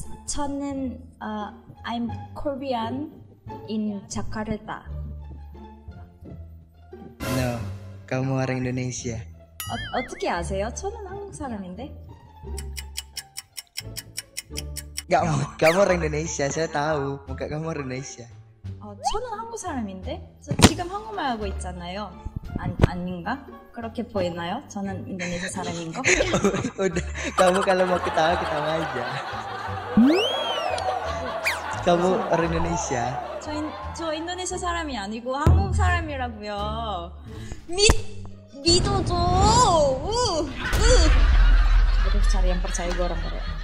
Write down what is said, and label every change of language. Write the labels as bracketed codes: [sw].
[ko] 저는 [en] I'm Korean in Jakarta. [id] No, kamu orang Indonesia. [ko] 어떻게 아세요? 저는 한국 사람인데. [id] Kamu orang Indonesia. Saya tahu. Muka kamu orang Indonesia. [ko] 저는 한국 사람인데. 저 지금 한국말 하고 있잖아요. 아닌가? 그렇게 보이나요? 저는 인도네시아 사람인 거? 오늘 [id] kamu kalau mau ketawa aja. Kamu orang Indonesia? [ko] 저 인도네시아 사람이 아니고 한국 사람이라고요. 믿어줘. 이렇게 자리 [id] yang percaya gue orang Korea.